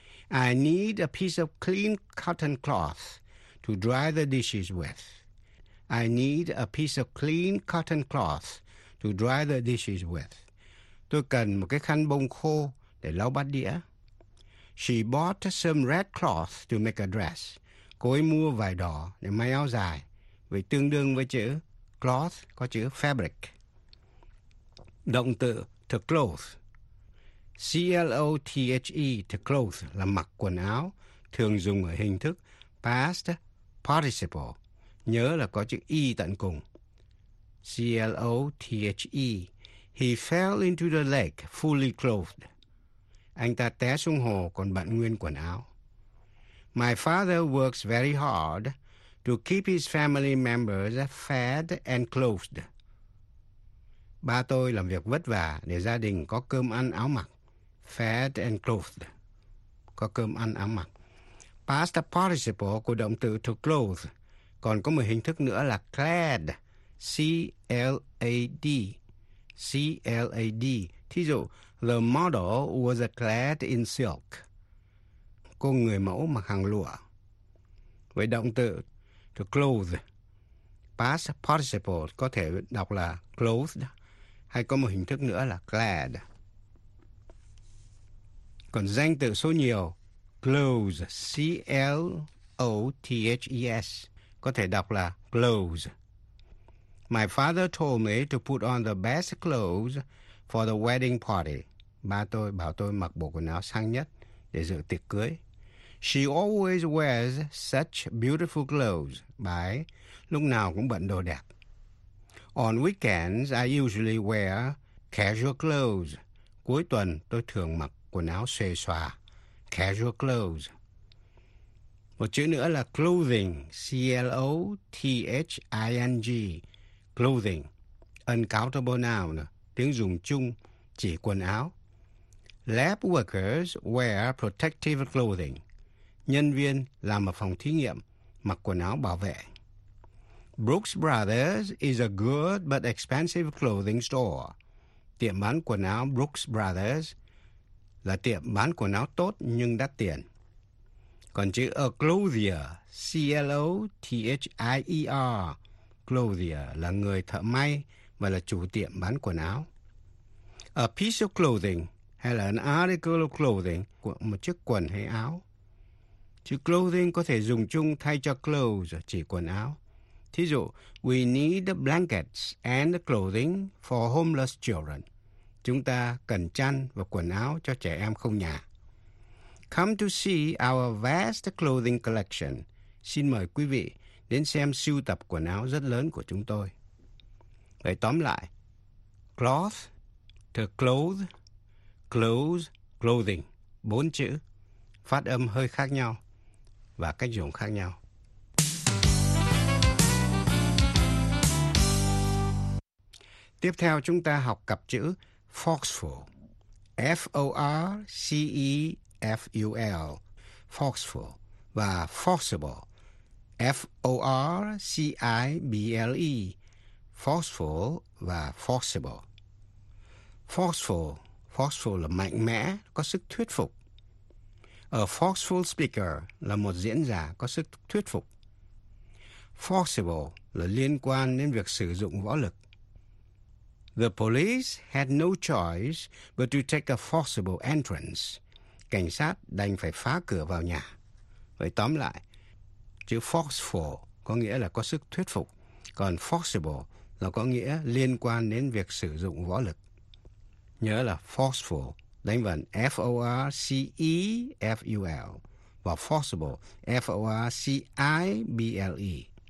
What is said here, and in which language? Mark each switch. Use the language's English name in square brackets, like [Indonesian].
[English] I need a piece of clean cotton cloth to dry the dishes with. I need a piece of clean cotton cloth to dry the dishes with. [Vietnamese] Tôi cần một cái khăn bông khô để lau bát đĩa. [English] She bought some red cloth to make a dress. [Vietnamese] Cô ấy mua vải đỏ để may áo dài. Vậy tương đương với chữ cloth có chữ fabric. Động từ to clothe. C-L-O-T-H-E, to clothe, là mặc quần áo, thường dùng ở hình thức past participle. Nhớ là có chữ E tận cùng. C-L-O-T-H-E. [English] He fell into the lake fully clothed. [Vietnamese] Anh ta té xuống hồ còn bận nguyên quần áo. [English] My father works very hard to keep his family members fed and clothed. [Vietnamese] Ba tôi làm việc vất vả để gia đình có cơm ăn áo mặc. [English] Fed and clothed. [Vietnamese] Có cơm ăn áo mặc. Past participle của động từ to clothe. Còn có một hình thức nữa là clad. [English] C-L-A-D. C-L-A-D. [Vietnamese] Thí dụ, [English] the model was clad in silk. [Vietnamese] Cô người mẫu mặc hàng lụa. Với động từ to clothe, past participle có thể đọc là clothed, hay có một hình thức nữa là clad. Còn danh từ số nhiều, clothes, C-L-O-T-H-E-S, có thể đọc là clothes. [English] My father told me to put on the best clothes for the wedding party. [Vietnamese] Ba tôi bảo tôi mặc bộ quần áo sang nhất để dự tiệc cưới. [English] She always wears such beautiful clothes. [Vietnamese] Bà ấy lúc nào cũng bận đồ đẹp. [English] On weekends, I usually wear casual clothes. [Vietnamese] Cuối tuần, tôi thường mặc quần áo xuề xòa. Casual clothes. Một chữ nữa là clothing. [English] C-L-O-T-H-I-N-G. Clothing. Uncountable noun. [Vietnamese] Tiếng dùng chung chỉ quần áo. [English] Lab workers wear protective clothing. [Vietnamese] Nhân viên làm ở phòng thí nghiệm mặc quần áo bảo vệ. [English] Brooks Brothers is a good but expensive clothing store. [Vietnamese] Tiệm bán quần áo Brooks Brothers là tiệm bán quần áo tốt nhưng đắt tiền. Còn chữ a clothier, C-L-O-T-H-I-E-R, clothier là người thợ may và là chủ tiệm bán quần áo. [English] A piece of clothing hay là an article of clothing, [Vietnamese] một chiếc quần hay áo. Chữ clothing có thể dùng chung thay cho clothes, chỉ quần áo. Thí dụ, [English] we need blankets and clothing for homeless children. [Vietnamese] Chúng ta cần chăn và quần áo cho trẻ em không nhà. [English] Come to see our vast clothing collection. [Vietnamese] Xin mời quý vị đến xem sưu tập quần áo rất lớn của chúng tôi. Vậy tóm lại, cloth, to clothe, clothes, clothing, bốn chữ, phát âm hơi khác nhau và cách dùng khác nhau. Tiếp theo chúng ta học cặp chữ forceful. [English] F-O-R-C-E-F-U-L. Forceful. Và forcible. F-O-R-C-I-B-L-E. Forceful và forcible. Forceful. [Vietnamese] Forceful là mạnh mẽ, có sức thuyết phục. [English] A forceful speaker [Vietnamese] là một diễn giả có sức thuyết phục. Forcible là liên quan đến việc sử dụng võ lực. [English] The police had no choice but to take a forcible entrance. [Vietnamese] Cảnh sát đành phải phá cửa vào nhà. Vậy tóm lại, chữ forceful có nghĩa là có sức thuyết phục. Còn forcible là có nghĩa liên quan đến việc sử dụng võ lực. Nhớ là forceful. Đánh vần F-O-R-C-E-F-U-L và forcible F-O-R-C-I-B-L-E.